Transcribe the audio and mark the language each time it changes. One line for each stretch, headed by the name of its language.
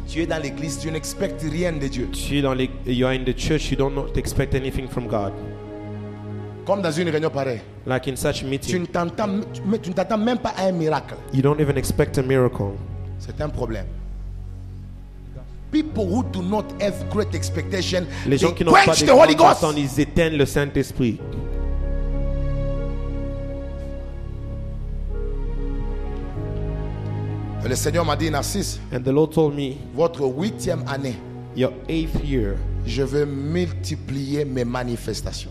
French: Tu es dans l'église, tu n'expectes rien de Dieu. Tu es dans l'église,
English: you are in the church, you don't not expect anything from God.
French: Comme dans une réunion pareille.
English: Like in such meeting.
French: Tu ne t'attends même pas à un miracle.
English: You don't even expect a miracle.
French: C'est un problème.
English: People who do not have great expectation,
French: les gens
English: they quench the Holy Ghost.
French: Ils éteignent le Saint-Esprit. Le Seigneur m'a dit, Narcisse,
English: and the Lord told me,
French: votre huitième année,
English: your eighth year,
French: je vais multiplier mes manifestations.